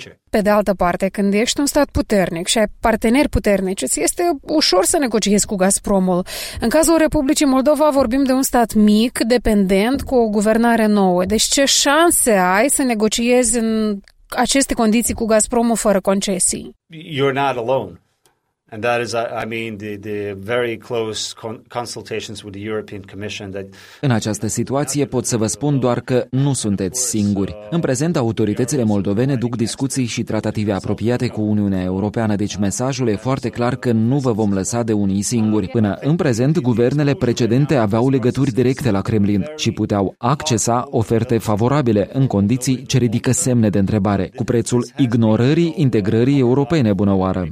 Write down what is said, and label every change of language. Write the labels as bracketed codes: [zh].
[ro] Pe de altă parte, când ești un stat puternic și ai parteneri puternici, îți este ușor să negociezi cu Gazpromul. În cazul Republicii Moldova, vorbim de un stat mic, dependent, cu o guvernare nouă. Deci ce șanse ai să negociezi în aceste condiții cu Gazpromul fără concesii? [en] You're not alone. And that is, I mean, the very close consultations with the European Commission. That [ro] în această situație pot să vă spun doar că nu sunteți singuri. În prezent, autoritățile moldovene duc discuții și tratative apropiate cu Uniunea Europeană, deci mesajul e foarte clar că nu vă vom lăsa de unii singuri. Până în prezent, guvernele precedente aveau legături directe la Kremlin și puteau accesa oferte favorabile în condiții ce ridică semne de întrebare, cu prețul ignorării integrării europene, bună oară.